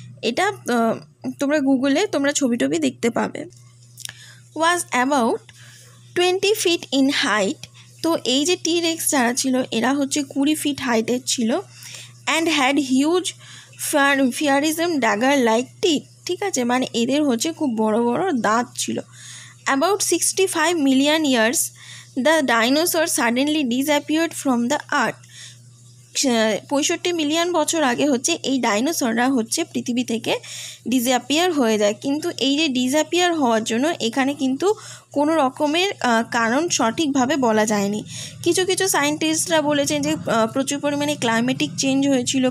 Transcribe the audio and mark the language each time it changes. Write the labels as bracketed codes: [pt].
[bn] এটা তোমরা গুগলে তোমরা ছবি টবি দেখতে পাবে। [en] Was about 20 feet in height. [bn] তো এই যে টিরেক্স যারা ছিল এরা হচ্ছে 20 ফিট হাইটের ছিল। [en] and had huge fearsome dagger like teeth, [bn] ঠিক আছে? মানে এদের হচ্ছে খুব বড় বড় দাঁত ছিল। [en] About 65 million years, the dinosaur suddenly disappeared from the earth. [bn] 65 million বছর আগে হচ্ছে এই ডাইনোসররা হচ্ছে পৃথিবী থেকে ডিসঅ্যাপিয়ার হয়ে যায়। কিন্তু এই যে ডিসঅ্যাপিয়ার হওয়ার জন্য এখানে কিন্তু কোনো রকমের কারণ সঠিকভাবে বলা যায়নি। কিছু কিছু সায়েন্টিস্টরা বলেছেন যে প্রচুর পরিমাণে ক্লাইমেটিক চেঞ্জ হয়েছিল।